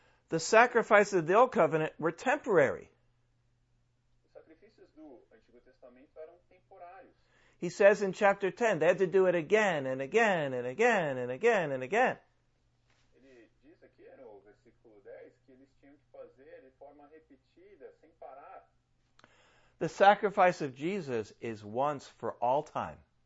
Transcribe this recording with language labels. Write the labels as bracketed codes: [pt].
[en] The sacrifices of the Old Covenant were temporary. [pt] Os sacrifícios do Antigo Testamento eram temporários. [en] He says in chapter 10, they had to do it again and again and again and again and again. [pt] Ele diz aqui no versículo 10 que eles tinham que fazer de forma repetida, sem parar. [en] The sacrifice of Jesus is once for all time.